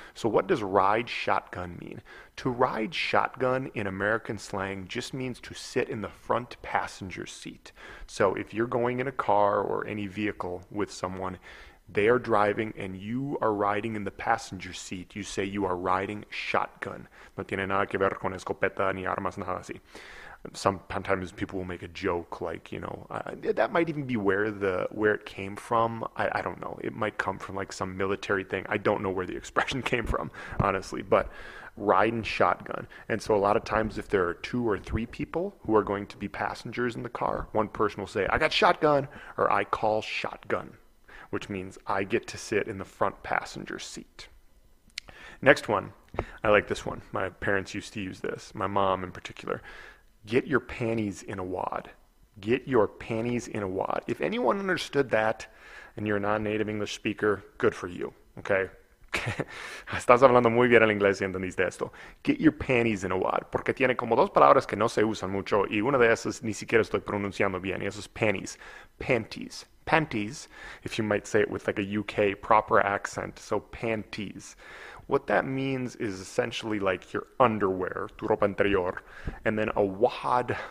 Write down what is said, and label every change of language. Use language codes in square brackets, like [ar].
[en] So what does ride shotgun mean? To ride shotgun in American slang just means to sit in the front passenger seat. So if you're going in a car or any vehicle with someone, they are driving and you are riding in the passenger seat, you say you are riding shotgun. [es] No tiene nada que ver con escopeta ni armas, nada así. [en] Sometimes people will make a joke like, you know, that might even be where it came from. I don't know. It might come from like some military thing. I don't know where the expression came from, honestly, but riding shotgun. And so a lot of times if there are two or three people who are going to be passengers in the car, one person will say, "I got shotgun," or "I call shotgun," which means I get to sit in the front passenger seat. Next one. I like this one. My parents used to use this. My mom in particular. Get your panties in a wad. Get your panties in a wad. If anyone understood that and you're a non-native English speaker, good for you, okay? [es] Estás hablando muy bien el inglés y entendiste esto. [en] Get your panties in a wad. [es] Porque tiene como dos palabras que no se usan mucho y una de esas ni siquiera estoy pronunciando bien y eso es panties. [en] Panties. Panties, if you might say it with like a UK proper accent. So panties. What that means is essentially like your underwear, [es] tu ropa interior, [en] and then a wad.